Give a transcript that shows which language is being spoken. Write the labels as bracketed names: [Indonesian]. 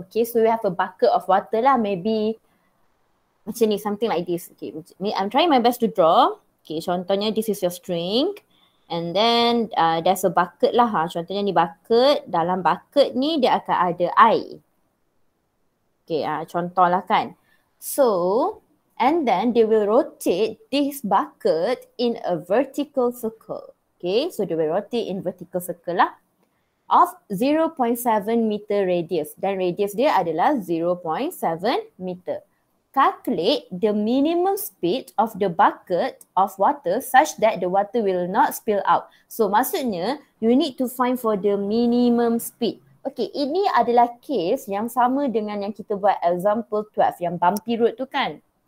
[English] Okay, so we have a bucket of water lah. Maybe [Malay] macam ni, [English] something like this. Okay, I'm trying my best to draw. Okay, contohnya this is your string. And then there's a bucket lah. Ha. [Malay] Contohnya ni [English] bucket. [Malay] Dalam bucket ni dia akan ada air. Okay, contohlah kan. [English] So, and then they will rotate this bucket in a vertical circle. Okay, so they will rotate in vertical circle lah. Of 0.7 meter radius. [Malay] Dan radius dia adalah 0.7 meter. [English] Calculate the minimum speed of the bucket of water such that the water will not spill out. So, maksudnya you need to find for the minimum speed. [Malay] Okay, ini adalah case yang sama dengan yang kita buat example 12 yang bumpy road tu kan.